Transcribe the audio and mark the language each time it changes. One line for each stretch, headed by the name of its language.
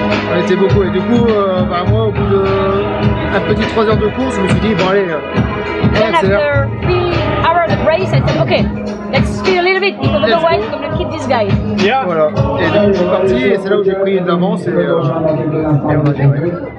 French: On était beaucoup et du coup, moi au bout de un petit 3 heures de course, je me suis dit bon allez, accélère.
English: After 3 hours of race, I said okay, let's speed a little bit because otherwise we're going to keep this guy. Yeah.
French: Voilà. Et donc je suis parti et c'est là où j'ai pris une avance et on a géré.